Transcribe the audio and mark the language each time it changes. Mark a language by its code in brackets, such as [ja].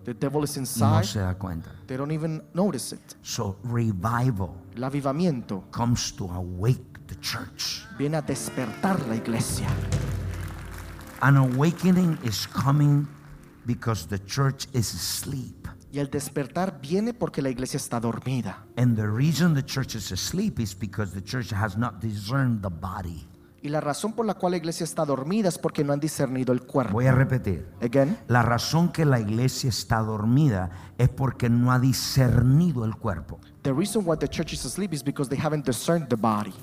[en] The devil is inside. [es] No se da cuenta. [en] They don't even notice it. So revival, [es] el avivamiento, [en] comes to awake the church. [es] Viene a despertar la iglesia. [en] An awakening is coming because the church is asleep. [es] Y el despertar viene porque la iglesia está dormida. [en] And the reason the church is asleep is because the church has not discerned the body. [es] Y la razón por la cual la iglesia está dormida es porque no han discernido el cuerpo. Voy a repetir. [en] Again. [es] La razón que la iglesia está dormida es porque no ha discernido el cuerpo. [en] The reason why the church is asleep is because they haven't discerned the body.